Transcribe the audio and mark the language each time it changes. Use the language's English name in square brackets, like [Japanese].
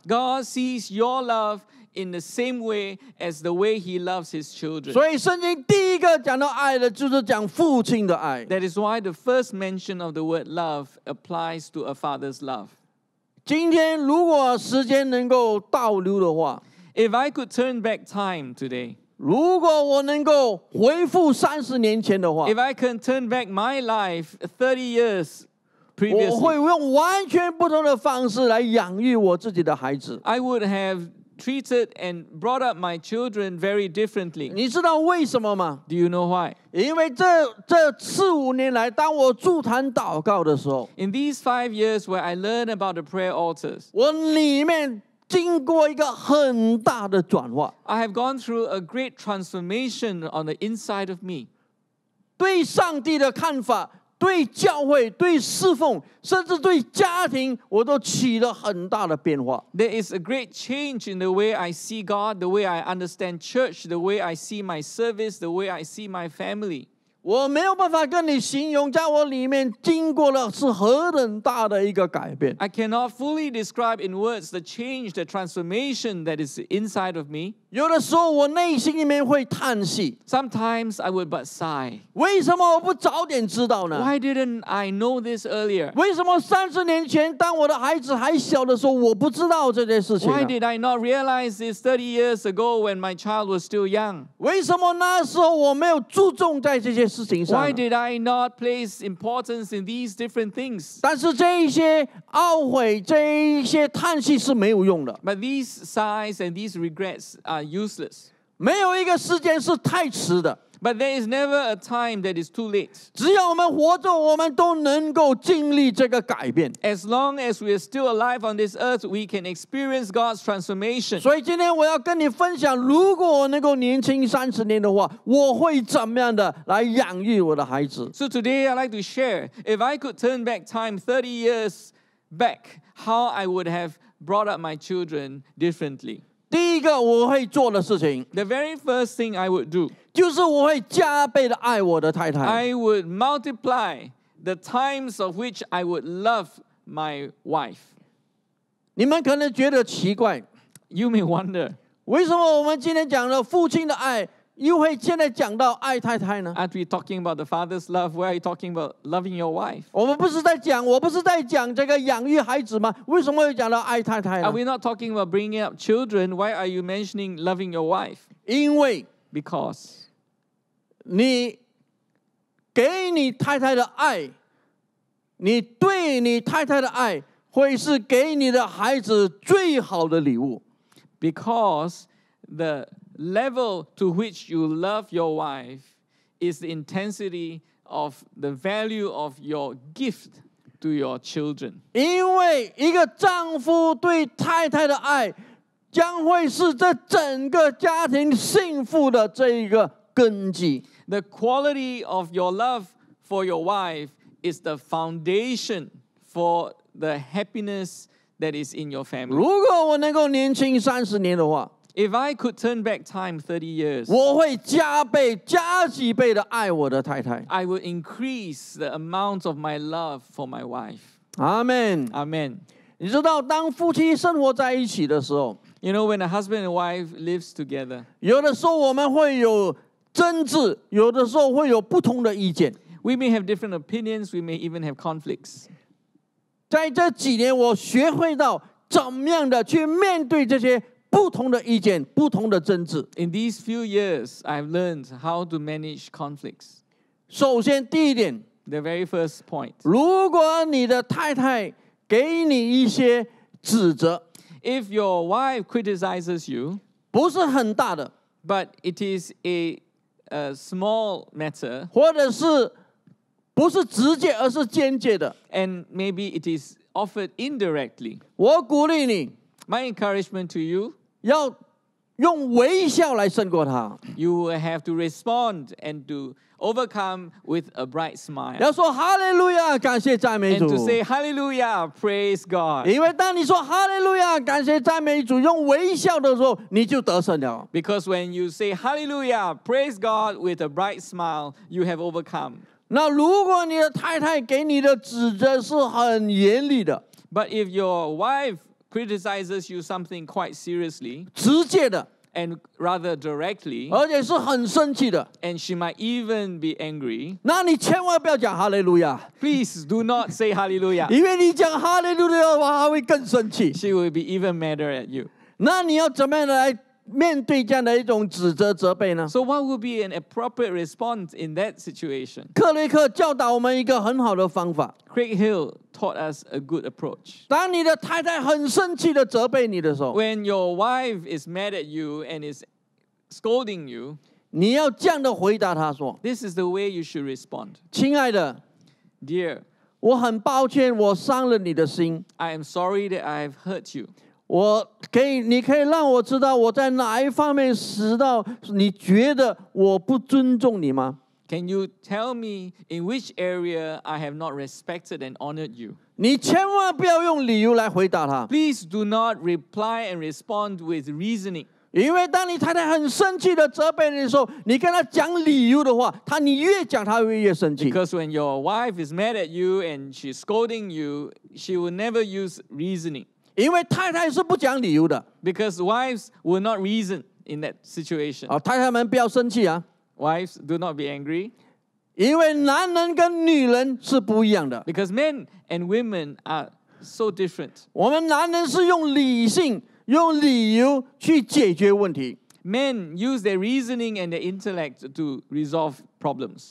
[English] God sees your love in the same way as the way He loves His children. [Chinese] 所以圣经第一个讲到爱的就是讲父亲的爱。 [English] That is why the first mention of the word love applies to a father's love. [Chinese] 今天如果时间能够倒流的话， [English] If I could turn back time today, [Chinese] 如果我能够回复三十年前的话， [English] If I can turn back my life 30 years previously, [Chinese] 我会用完全不同的方式来养育我自己的孩子。 [English] I would have treated and brought up my children very differently. [Chinese] 你知道为什么吗？ [English] Do you know why? [Chinese] 因为这四五年来，当我筑坛祷告的时候， [English] In these 5 years where I learned about the prayer altars, [Chinese] 我里面经过一个很大的转化。 [English] I have gone through a great transformation on the inside of me. [Chinese] 对上帝的看法，对教会，对侍奉，甚至对家庭，我都起了很大的变化。 [English] There is a great change in the way I see God, the way I understand church, the way I see my service, the way I see my family. [Chinese] 我没有办法跟你形容在我里面经过了是何等大的一个改变。 [English] I cannot fully describe in words the change, the transformation that is inside of me. [Chinese] 有的时候我内心里面会叹息。 [English] Sometimes I would but sigh. [Chinese] 为什么我不早点知道呢？ [English] Why didn't I know this earlier? [Chinese] 为什么三十年前当我的孩子还小的时候我不知道这件事情呢？ [English] Why did I not realize this 30 years ago when my child was still young? [Chinese] 为什么那时候我没有注重在这些事情上？ [English] Why did I not place importance in these different things? [Chinese] 但是这一些懊悔，这一些叹息是没有用的。 [English] But these sighs and these regrets are useless. [Chinese] 没有一个时间是太迟的。 [English] But there is never a time that is too late. [Chinese] 只要我们活着，我们都能够经历这个改变。 [English] As long as we are still alive on this earth, we can experience God's transformation. [Chinese] 所以今天我要跟你分享，如果我能够年轻三十年的话，我会怎么样的来养育我的孩子。 [English] So today I'd like to share, if I could turn back time 30 years back, how I would have brought up my children differently. [Chinese] 第一个我会做的事情 [English] The very first thing I would do [Chinese] 就是我会加倍的爱我的太太 [English] I would multiply the times of which I would love my wife [Chinese] 你们可能觉得奇怪 [English] You may wonder [Chinese] 为什么我们今天讲了父亲的爱又会现在讲到爱太太呢 [English] Aren't we talking about the father's love? Why are you talking about loving your wife? [Chinese] 我不是在讲这个养育孩子吗？为什么会讲到爱太太呢 [English] Are we not talking about bringing up children? Why are you mentioning loving your wife? [Chinese] 因为 [English] Because [Chinese] 你给你太太的爱，你对你太太的爱会是给你的孩子最好的礼物。 [English] Because the level to which you love your wife is the intensity of the value of your gift to your children. [Chinese] 因为一个丈夫对太太的爱将会是这整个家庭幸福的这一个根基。 [English] The quality of your love for your wife is the foundation for the happiness that is in your family. [Chinese] 如果我能够年轻三十年的话， [English] If I could turn back time 30 years, [Chinese] 我会加几倍的爱我的太太。 [English] I would increase the amount of my love for my wife. Amen. Amen. [Chinese] 你知道当夫妻生活在一起的时候， [English] You know, when a husband and wife lives together, [Chinese] 有的时候我们会有争执，有的时候会有不同的意见。 [English] We may have different opinions, we may even have conflicts. [Chinese] 在这几年我学会到怎么样的去面对这些不同的意见，不同的争执。 [English] In these few years, I've learned how to manage conflicts. [Chinese] 首先第一点， [English] The very first point. [Chinese] 如果你的太太给你一些指责， [English] If your wife criticizes you, [Chinese] 不是很大的， [English] But it is a small matter. [Chinese] 或者是不是直接而是间接的， [English] And maybe it is offered indirectly. [Chinese] 我鼓励你， [English] My encouragement to you, [Chinese] 要用微笑来胜过他。 [English] You will have to respond and to overcome with a bright smile. [Chinese] 要说 Hallelujah, 感谢赞美主。 [English] And to say Hallelujah, praise God. [Chinese] 因为当你说 Hallelujah, 感谢赞美主，用微笑的时候，你就得胜了。 [English] Because when you say Hallelujah, praise God with a bright smile, you have overcome. [Chinese] 那如果你的太太给你的指责是很严厉的， [English] But if your wifecriticizes you something quite seriously, [Chinese] 直接的 [English] and rather directly, [Chinese] 而且是很生气的 [English] and she might even be angry, [Chinese] 那你千万不要讲 Hallelujah, [English] please do not say Hallelujah, [Chinese] 因为你讲 Hallelujah 的话会更生气 [English] she will be even madder at you, [Chinese] 那你要怎么样来面对这样的一种指责责备呢？ [English] So what would be an appropriate response in that situation? [Chinese] 克雷克教导我们一个很好的方法。 [English] Craig Hill taught us a good approach. [Chinese] 当你的太太很生气的责备你的时候， [English] When your wife is mad at you and is scolding you, [Chinese] 你要这样的回答她说， [English] This is the way you should respond. [Chinese] 亲爱的， [English] Dear, [Chinese] 我很抱歉我伤了你的心。 [English] I am sorry that I have hurt you. [Chinese] 我可以，你可以让我知道我在哪一方面使到你觉得我不尊重你吗？ [English] Can you tell me in which area I have not respected and honored you? [Chinese] 你千万不要用理由来回答他。 [English] Please do not reply and respond with reasoning. [Chinese] 因为当你太太很生气的责备你的时候，你跟他讲理由的话，他你越讲他越生气。 [English] Because when your wife is mad at you and she's scolding you, she will never use reasoning. [Chinese] 因为太太是不讲理由的。 [English] Because wives will not reason in that situation. [Chinese] 太太们不要生气啊。 [English] Wives, do not be angry. [Chinese] 因为男人跟女人是不一样的。 [English] Because men and women are so different. [Chinese] 我们男人是用理性，用理由去解决问题。 [English] Men use their reasoning and their intellect to resolve problems.